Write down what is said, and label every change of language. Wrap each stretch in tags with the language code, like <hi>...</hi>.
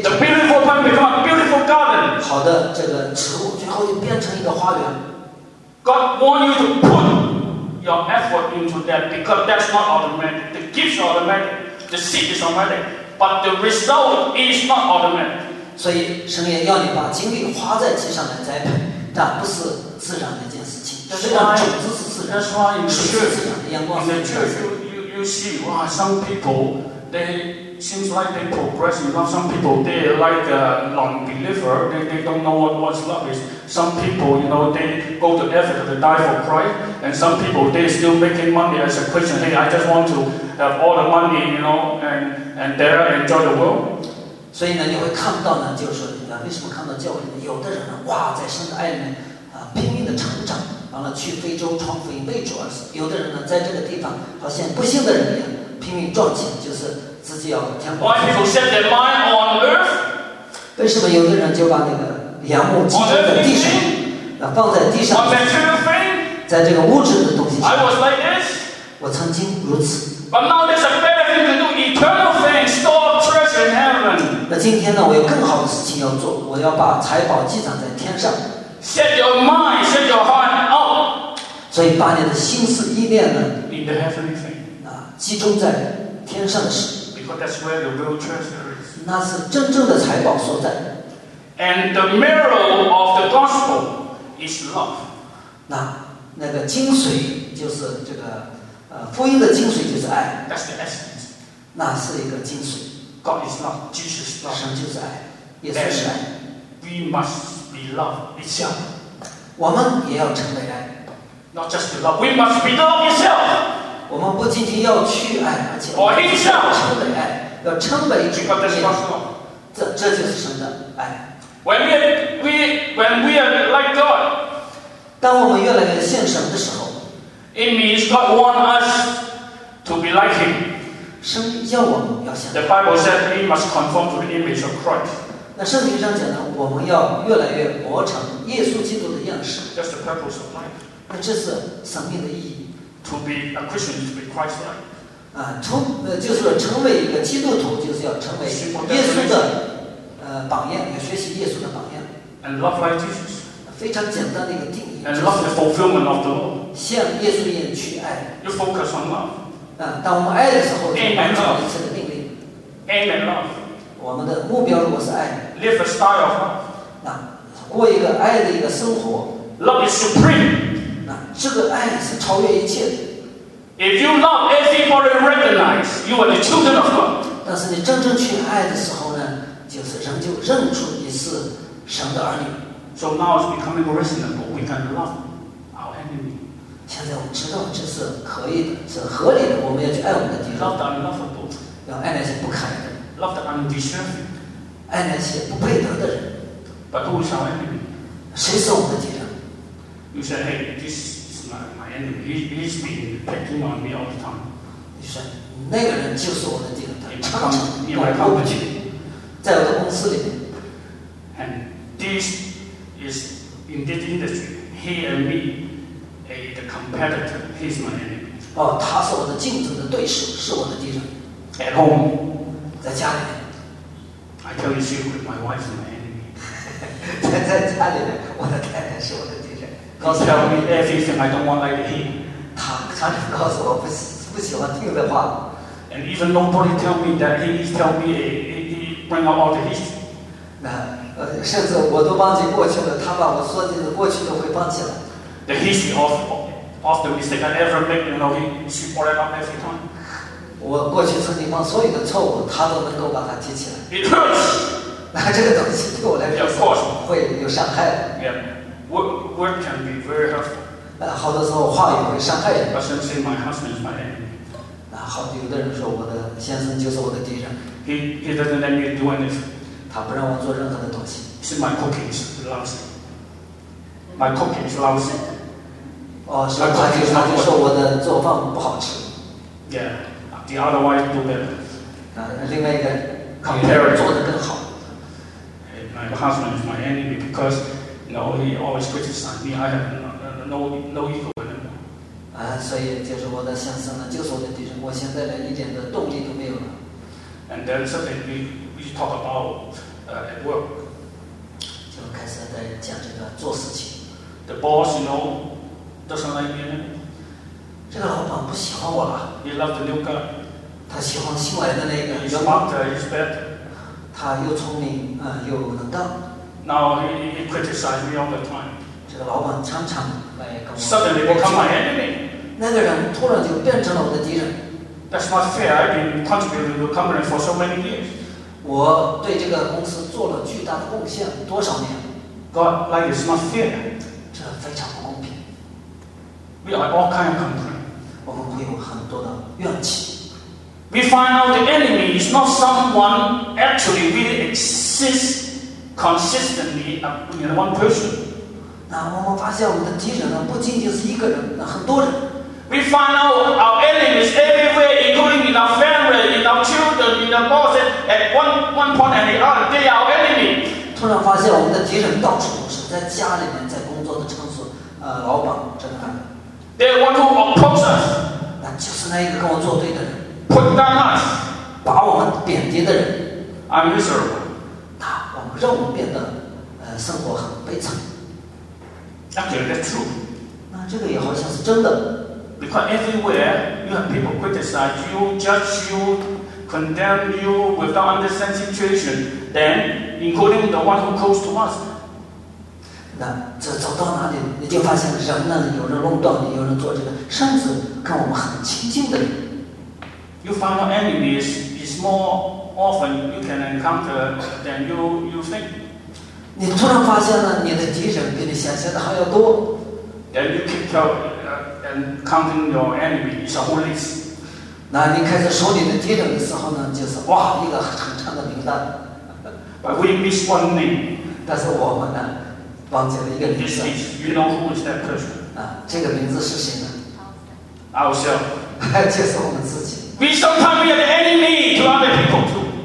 <en>常 the beautiful plant become a beautiful garden,</en> <zh>好的这个植物最后就变成一个花园。</zh> <en>God want you to put. Your effort into that because that's not automatic. The gifts are automatic. The seed is automatic. But the result is not automatic.</en> <zh>所以神也要你把精力花在其上来栽培，但不是自然的一件事情。</zh> <en>That's why</en> <zh>种子是自然，</zh> <en>that's why in the church,</en> <zh>水是自然的，阳光是自然的。</zh> <en>In the church, you see, wow, some people they seems like they progress. You know, some people they like a non-believer. They don't know what love is. Some people, you know, they go to Africa to die for Christ, and some people, they're still making money as a Christian. Hey, I just want to have all the money, you know, and there enjoy the world.</en> <zh>所以呢，你会看到呢，就是说，为什么看到教会呢？有的人呢，哇，在神的爱里面拼命的成长，完了去非洲传福音为主而死。有的人呢，在这个地方，好像不幸的人一样，拼命赚钱，就是自己要天国。</zh> <en>Why people set their mind on earth?</en> <zh>为什么有的人就把那个？仰慕寄托在地上，那放在地上，在这个物质的东西上。</zh> <en>I was like this.</en> <zh>我曾经如此。</zh> <en>But now there's a better thing to do. Eternal thing, store treasure in heaven.</en> <zh>那今天呢，我有更好的事情要做，我要把财宝寄藏在天上。</zh> <en>Set your mind, set your heart out.</en> <zh>所以把你的心思意念呢，</zh> <en>in the heavenly thing.</en> <zh>啊，集中在天上的事。</zh> <en>Because that's where the real treasure is.</en> <zh>那是真正的财宝所在。</zh> <en>And the mirror of the gospel is love.</en> <zh>那个精髓就是这个福音的精髓就是爱。</zh> <en>That's the essence.</en> <zh>那是一个精髓。</zh> <en>God is love. Jesus is love.</en> <zh>神就是爱，耶稣是爱。</zh> <en>We must be love itself.</en> <zh>我们也要成为爱。</zh> <en>Not just the love. We must be love itself.</en> <zh>我们不仅仅要去爱，而且我们要成为爱，要成为爱。</zh> <en>Because that's God's love.</en> <zh>这就是神的爱。</zh> <en>When we are like God,</en> <zh>当我们越来越像神的时候，</zh> <en>it means God wants us to be like Him.</en> <zh>神要我们要像。</zh> <en>The Bible says we must conform to the image of Christ.</en> <zh>那圣经上讲呢，我们要越来越活成耶稣基督的样式。</zh> <en>That's the purpose of life.</en> <zh>那这是生命的意义。</zh> <en>To be a Christian is to be Christ-like.</en> <zh>就是成为一个基督徒，就是要成为耶稣的。榜样，要学习耶稣的榜样。</zh> <en>And love like Jesus.</en> <zh>非常简单的一个定义。</zh> <en>And love the fulfillment of the law.</en> <zh>像耶稣一样去爱。</zh> <en>You focus on love.</en> <zh>当我们爱的时候，就完成一切的命令。</zh> <en>aim at love.</en> <zh>我们的目标如果是爱，</zh> <en>live a style of love.</en> <zh>那过一个爱的一个生活。</zh> <en>Love is supreme.</en> <zh>那这个爱是超越一切的。</zh> <en>If you love, everybody recognize you are the children of God.</en> <zh>但是你真正去爱的时候呢，就是人就认出你是神的儿女。</zh> <en>So now it's becoming reasonable. We can love our enemy.</en> <zh>现在我们知道这是可以的，是合理的。我们要去爱我们的敌人。</zh> <en>Love the unlovable.</en> <zh>要爱那些不可爱的。</zh> <en>Love the undeserving.</en> <zh>爱那些不配得的人。</zh> <en>But who is our enemy?</en> <zh>谁是我们的敌人？</zh> <en>You say, hey, this is my enemy. He's been picking on me all the time.</en> <zh>你说那个人就是我的敌人，他常常我看不起，在我的公司里面。</zh> <en>And this is in this industry. He and me, the competitor. He's my enemy.</en> <zh>哦，他是我的竞争的对手，是我的敌人。</zh> <en>At home,</en> <zh>在家里面。</zh> <en>I tell you secret. My wife is my enemy.</en> <zh>在家里面，我的太太是我的敌人。告诉</zh> <en>tell me everything I don't want like him.</en> <zh>他就告诉我不喜欢听的话。</zh> <en>And even nobody tell me that he tell me he bring out all the history.</en> <zh>那甚至我都忘记过去了，他把我说进的过去都会忘记了。</zh> <en>The history of the mistake I ever make, you know, he she brought it up every time.</en> <zh>我过去曾经犯所有的错误，他都能够把它提起来。</zh> <en>It hurts.</en> <zh>那这个东西对我来说会有伤害的。</zh> <en>Yeah, word can be very hurtful.</en> <zh>好多时候话语会伤害人。</zh> <en>But some say my husband is my enemy.</en> <zh>好，有的人说我的先生就是我的敌人。</zh> <en>He doesn't let me do anything.</en> <zh>他不让我做任何的东西。</zh> <en>He said my cooking is lousy. My cooking is lousy.</en> <zh>哦，是他就说我的做饭不好吃。</zh> <en>Yeah, the other one do better.</en> <zh>另外一个</zh> <en>compare</en> <zh>做得更好。</zh> <en>My husband is my enemy because, you know, he always criticizes me. I have no ego anymore.</en> <zh>所以就是我的先生呢，就是我的敌人。我现在连一点的动力都没有了。</zh> <en>And then suddenly we talk about at work.</en> <zh>就开始在讲这个做事情。</zh> <en>The boss, you know, doesn't like me anymore.</en> <zh>这个老板不喜欢我了。</zh> <en>He loves the new guy.</en> <zh>他喜欢新来的那个。</zh> <en>He's smarter, he's better.</en> <zh>他又聪明，又能干。</zh> <en>Now he criticized me all the time.</en> <zh>这个老板常常来跟我。</zh> <en>Suddenly become my enemy.</en> <zh>那个人突然就变成了我的敌人。</zh> <en>That's not fair. I've been contributing to the company for so many years.</en> <zh>我对这个公司做了巨大的贡献，多少年</zh> <en>？God, like it's not fair.</en> <zh>这非常不公平。</zh> <en>We are all kind of company.</en> <zh>我们会有很多的怨气。</zh> <en>We find out the enemy is not someone actually really exists consistently in one person.</en> <zh>那我们发现我们的敌人呢，不仅仅是一个人，那很多人。</zh> <en>We find out our enemies everywhere, including in our family, in our children, in our bosses. At one point and the other, they are our enemy.</en> <zh>突然发现我们的敌人到处都是，在家里面，在工作的场所，老板，这个老板。</zh> <en>They want to oppose us.</en> <zh>那就是那一个跟我作对的人。</zh> <en>Put down us,</en> <zh>把我们贬低的人</zh> <en>，I'm miserable.</en> <zh>他我们让我们变得，生活很悲惨。</zh> <en>Actually, that's true.</en> <zh>那这个也好像是真的。</zh> <en>Because everywhere you have people criticize you, judge you, condemn you without understanding situation, then including the one who close to us.</en> <zh>那这走到哪里，你就发现人呢，有人弄断你，有人做这个，甚至跟我们很亲近的人。</zh> <en>You find your enemies is more often you can encounter than you think.</en> <zh>你突然发现了你的敌人比你想象的还要多。</zh> <en>Then you keep counting your enemy is a whole list.</en> <zh>那你开始数你的敌人的时候呢，就是哇一个很长的名单。</zh> <en>But we miss one name.</en> <zh>但是我们呢，忘记了一个名字。</zh> <en>This is, you know who is that person?</en> <zh>这个名字是谁呢</zh> <en>？Ourselves.</en> <zh>就是我们自己。</zh> <en>We sometimes are the enemy to other people too.</en>